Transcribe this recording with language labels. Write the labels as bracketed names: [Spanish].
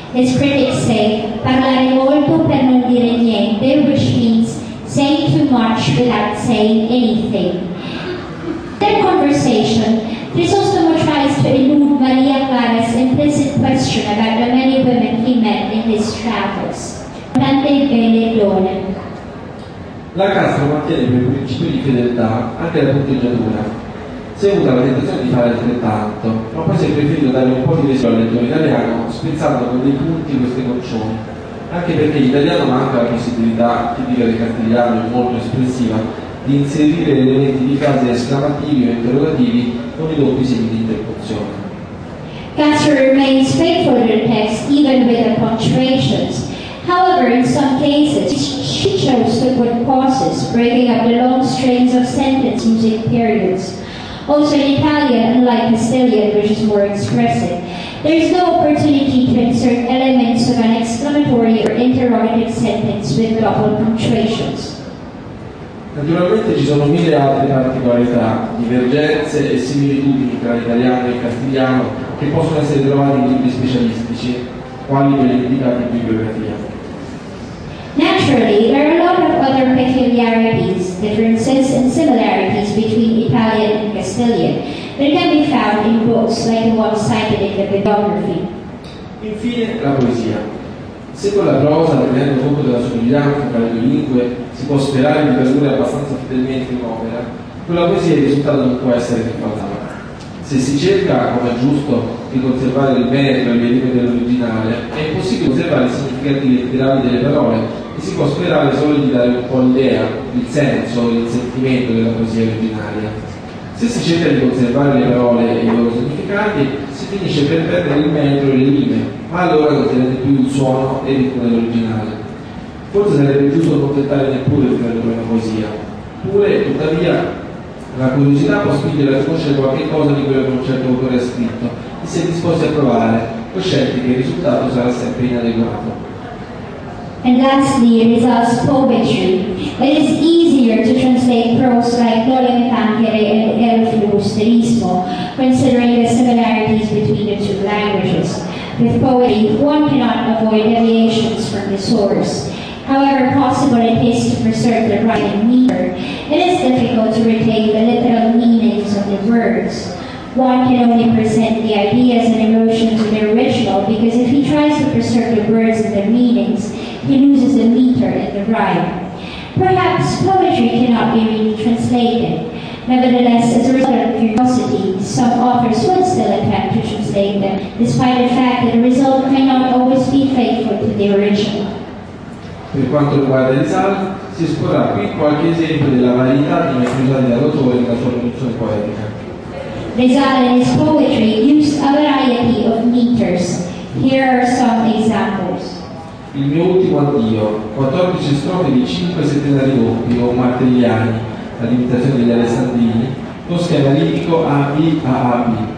[English] His critics say, [Italian] parlare molto per non dire niente, [English] which means saying too much without saying anything. In their conversation, Crisostomo tries to elude Maria Clara's implicit question about the many women he met in his travels. [Italian] Tante bene donne. La Castro mantiene per principio di fedeltà anche la punteggiatura. Si è avuta la tentazione di fare altrettanto, ma poi si è preferito dare un po' di respiro al lettore italiano, spezzando con dei punti queste goccioline. Anche perché l'italiano manca la possibilità, tipica del castigliano e molto espressiva, di inserire elementi di frase esclamativi o interrogativi con i doppi segni di interpunzione. [English] Castro remains faithful to the text, even with the punctuations. However, in some cases, she chose to put pauses, breaking up the long strings of sentence using periods. Also in Italian, unlike Castilian, which is more expressive, There is no opportunity to insert elements of an exclamatory or interrogative sentence with double punctuations. [Italian] Naturalmente ci sono mille altre particolarità, divergenze e similitudini tra l'italiano e il castigliano che possono essere trovate in libri specialistici, quali per indicati in bibliografia. [English] Naturally, there are a lot of other peculiarities, differences and similarities between Italian and Castilian that can be found in books like the one cited in the bibliography. [Italian] Infine, la poesia. Se con la prosa, tenendo conto della somiglianza tra le due lingue, si può sperare di tradurre abbastanza fedelmente un'opera, con la poesia il risultato non può essere che fatale. Se si cerca, come è giusto, di conservare il bene tra le lingue dell'originale, è impossibile conservare i significati letterali delle parole e si può sperare solo di dare un po' l'idea, il senso, il sentimento della poesia originaria. Se si cerca di conservare le parole e i loro significati, si finisce per perdere il metro e le rime, ma allora non tenete più il suono e il ritmo dell'originale. Forse sarebbe giusto non tentare neppure di fare una poesia. Pure, tuttavia, la curiosità può spingere a conoscere qualche cosa di quello che un certo autore ha scritto e si è disposti a provare, coscienti che il risultato sarà sempre inadeguato. [English] And lastly, it is as poetry. It is easier to translate prose like Dolem Tantiere and El Flusterismo, considering the similarities between the two languages. With poetry, one cannot avoid deviations from the source. However possible it is to preserve the writing meter, it is difficult to retain the literal meanings of the words. One can only present the ideas and emotions of the original, because if he tries to preserve the words and their meanings, he loses the meter and the rhyme. Perhaps poetry cannot be really translated. Nevertheless, as a result of curiosity, some authors would still attempt to translate them, despite the fact that the result may not always be faithful to the original. [Italian] Per quanto riguarda il salto, si esplora qui qualche esempio della varietà di metodi dell'autore nella sua produzione poetica. [English] Rizal in his poetry used a variety of meters. Here are some examples. [Italian] Il mio ultimo addio, 14 strofe di 5 settenari doppi o martelliani, la limitazione degli alessandrini, con schema ritmico AB AAB.